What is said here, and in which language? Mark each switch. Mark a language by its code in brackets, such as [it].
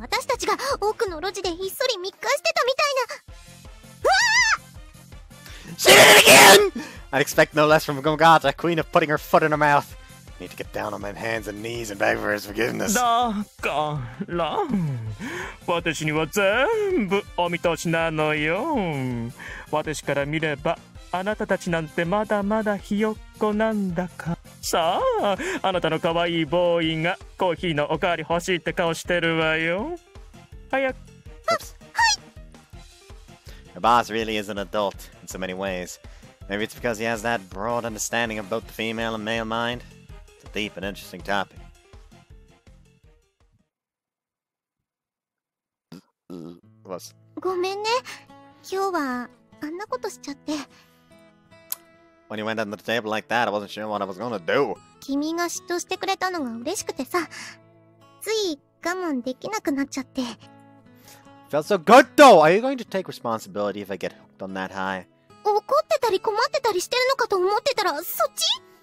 [ja] 私たちが奥の路地でひっそり密会してたみたいな。 [en] She did it again! I'd expect no less from Kamigata, queen of putting her foot in her mouth. I need to get down on my hands and knees and beg for his forgiveness. [ja] だから、私には全部お見通しなのよ。私から見れば、あなたたちなんてまだまだひよっこなんだか。さあ、あなたの可愛いボーイがコーヒーのおかわり欲しいって顔してるわよ。早く。 [en] The boss really is an adult in so many ways. Maybe it's because he has that broad understanding of both the female and male mind. It's a deep and interesting topic. What's... [ja] ごめんね。今日はあんなことしちゃって。 [en] When you went under the table like that, I wasn't sure what I was gonna do. [ja] 君が嫉妬してくれたのが嬉しくてさ、つい我慢できなくなっちゃって。 [en] Felt so good though! Are you going to take responsibility if I get hooked on that high? [ja] 怒ってたり困ってたりしてるのかと思ってたら、そっち?